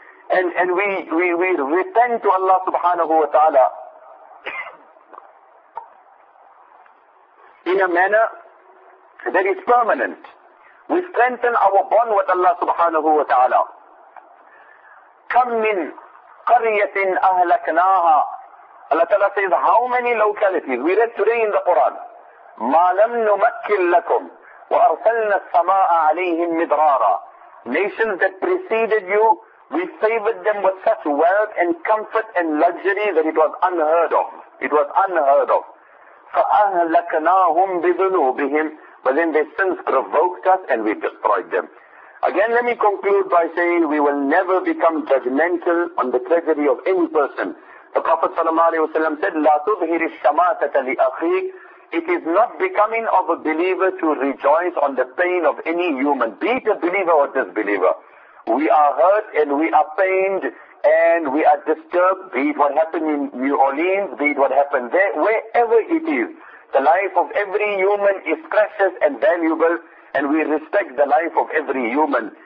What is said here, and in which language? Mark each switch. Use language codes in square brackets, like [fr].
[en] And we repent to Allah subhanahu wa ta'ala in a manner that is permanent. We strengthen our bond with Allah subhanahu wa ta'ala. [ar] كَمْ مِنْ قَرْيَةٍ أَهْلَكْنَاهَا. [en] Allah ta'ala says, how many localities? We read today in the Quran, [ar] مَا لَمْ نُمَكِّنْ لَكُمْ وَأَرْسَلْنَا السَّمَاءَ عَلَيْهِمْ مِدْرَارًا. [en] Nations that preceded you, we favored them with such wealth and comfort and luxury that it was unheard of. It was unheard of. [ar] فَأَهْلَكْنَاهُمْ بِذُنُوبِهِمْ. [en] But then their sins provoked us and we destroyed them. Again, let me conclude by saying we will never become judgmental on the treasury of any person. The Prophet ﷺ said, [ar] لَا تُظْهِرِ الشَّمَاتَةَ لِأَخِيكَ. [en] It is not becoming of a believer to rejoice on the pain of any human, be it a believer or disbeliever. We are hurt and we are pained and we are disturbed, be it what happened in New Orleans, be it what happened there, wherever it is. The life of every human is precious and valuable and we respect the life of every human.